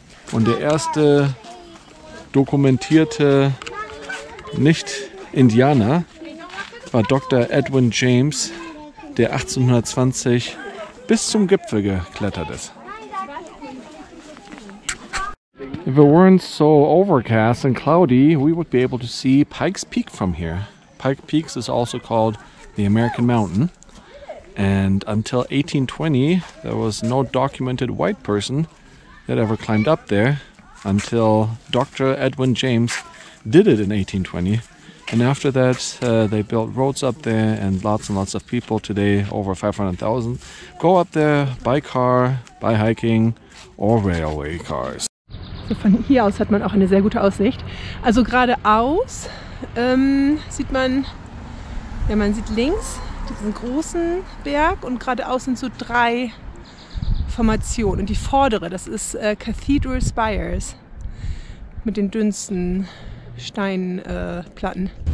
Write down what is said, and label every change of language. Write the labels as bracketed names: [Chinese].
[German] Und der erste dokumentierte Nicht-Indianer war Dr. Edwin James, der 1820 bis zum Gipfel geklettert ist. [English] If it weren't so overcast and cloudy, we would be able to see Pikes Peak from here. Pike Peaks is also called the American Mountain. And until 1820, there was no documented white person that ever climbed up there until Dr. Edwin James did it in 1820. And after that, they built roads up there and lots of people today, over 500,000, go up there by car, by hiking or railway cars. [German] So, von hier aus hat man auch eine sehr gute Aussicht. Also geradeaus sieht man, ja, man sieht links diesen großen Berg und geradeaus sind so drei Formationen. Und die vordere, das ist Cathedral Spires mit den dünnsten Steinplatten.